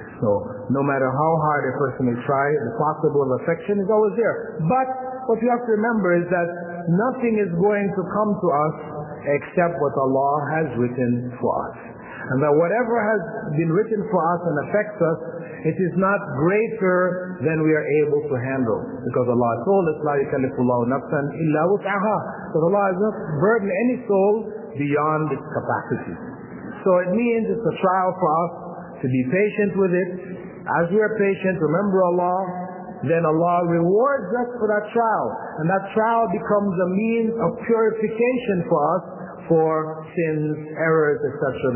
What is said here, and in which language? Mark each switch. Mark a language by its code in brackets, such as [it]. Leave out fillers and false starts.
[en] So no matter how hard a person may try, the possible affection is always there. But what you have to remember is that nothing is going to come to us except what Allah has written for us. And that whatever has been written for us and affects us, it is not greater than we are able to handle. Because Allah told us, [ar] لَا يُكَلِّفُ اللَّهُ نَفْسًا إِلَّا وُسْعَهَا. [en] So Allah has not burdened any soul beyond its capacity. So it means it's a trial for us to be patient with it. As we are patient, remember Allah, then Allah rewards us for that trial. And that trial becomes a means of purification for us for sins, errors, etc.